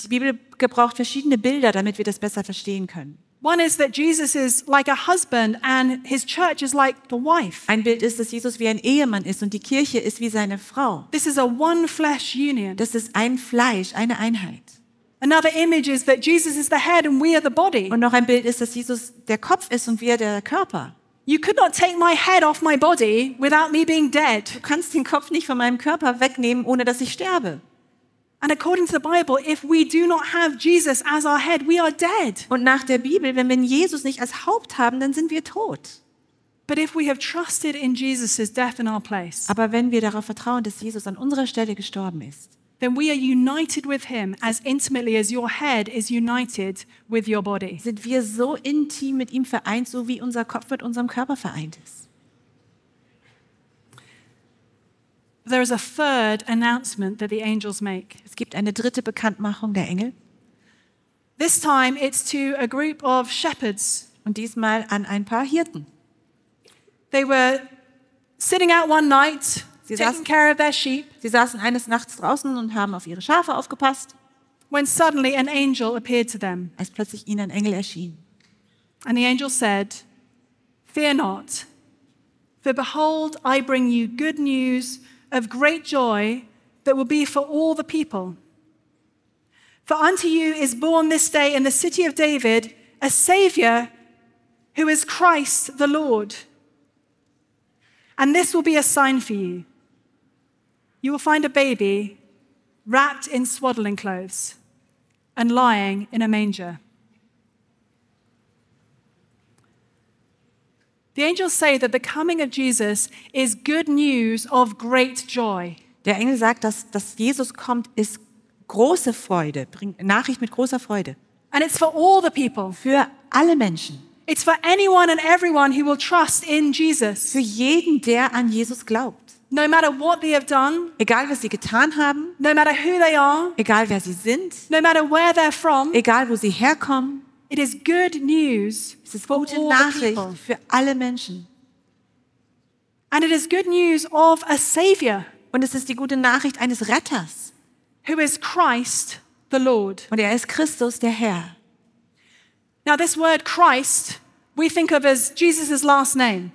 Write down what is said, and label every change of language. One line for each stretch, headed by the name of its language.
German: Die Bibel gebraucht verschiedene Bilder, damit wir das besser verstehen können.
English: One is that Jesus is like a husband and his church is like the wife.
German: Ein Bild ist, dass Jesus wie ein Ehemann ist und die Kirche ist wie seine Frau.
English: This is a one flesh union.
German: Das ist ein Fleisch, eine Einheit.
English: Another image is that Jesus is the head and we are the body.
German: Und noch ein Bild ist, dass Jesus der Kopf ist und wir der Körper.
English: You could not take my head off my body without me being dead.
German: Du kannst den Kopf nicht von meinem Körper wegnehmen, ohne dass ich sterbe.
English: And according to the Bible, if we do not have Jesus as our head, we are dead.
German: Und nach der Bibel, wenn wir Jesus nicht als Haupt haben, dann sind wir tot.
English: But if we have trusted in Jesus' death in our place,
German: aber wenn wir darauf vertrauen, dass Jesus an unserer Stelle gestorben ist,
English: then we are united with him as intimately as your head is united with your body.
German: Sind wir so intim mit ihm vereint, so wie unser Kopf mit unserem Körper vereint ist.
English: There is a third announcement that the angels make.
German: Es gibt eine dritte Bekanntmachung der Engel.
English: This time it's to a group of shepherds.
German: Und diesmal an ein paar Hirten.
English: They were sitting out one night, taking care of their sheep.
German: Sie saßen eines Nachts draußen und haben auf ihre Schafe aufgepasst.
English: When suddenly an angel appeared to them.
German: Als plötzlich ihnen ein Engel erschien.
English: And the angel said, "Fear not, for behold, I bring you good news of great joy that will be for all the people. For unto you is born this day in the city of David a Savior who is Christ the Lord. And this will be a sign for you. You will find a baby wrapped in swaddling clothes and lying in a manger." The angels say that the coming of Jesus is good news of great joy.
German: Der Engel sagt, dass Jesus kommt, ist große Freude, bringt Nachricht mit großer Freude.
English: And it's for all the people.
German: Für alle Menschen.
English: It's for anyone and everyone who will trust in Jesus.
German: Für jeden, der an Jesus glaubt.
English: No matter what they have done.
German: Egal, was sie getan haben.
English: No matter who they are.
German: Egal, wer sie sind.
English: No matter where they're from.
German: Egal, wo sie herkommen.
English: It is good news.
German: Es ist gute Nachricht für alle Menschen.
English: And it is good news of a Savior.
German: Und es ist die gute Nachricht eines Retters.
English: Who is Christ the Lord.
German: Und er ist Christus der Herr.
English: Now this word Christ we think of as Jesus' last name.